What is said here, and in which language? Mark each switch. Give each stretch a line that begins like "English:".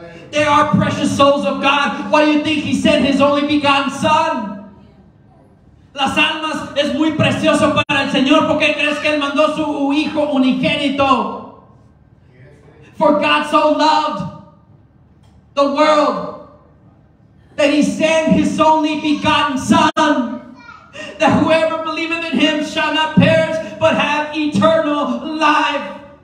English: They are precious souls of God. Why do you think he sent his only begotten son?
Spanish: Las almas es muy precioso para el Señor. ¿Por qué crees que él mandó su hijo unigénito?
English: For God so loved the world that he sent his only begotten son, that whoever believeth in him shall not perish but have eternal life.